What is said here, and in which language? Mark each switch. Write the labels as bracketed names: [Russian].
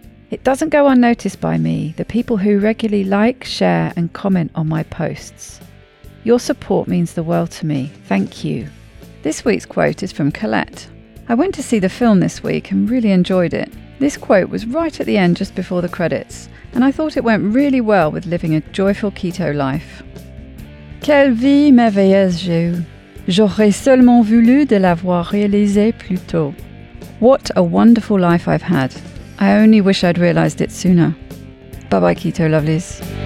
[English] It doesn't go unnoticed by me, the people who regularly like, share and comment on my posts. Your support means the world to me. Thank you. This week's quote is from Colette. I went to see the film this week and really enjoyed it. This quote was right at the end just before the credits, and I thought it went really well with living a joyful keto life. [French] Quelle vie merveilleuse j'ai eue. J'aurais seulement voulu de l'avoir réalisé plus tôt. [English] What a wonderful life I've had. I only wish I'd realized it sooner. Bye bye, keto lovelies.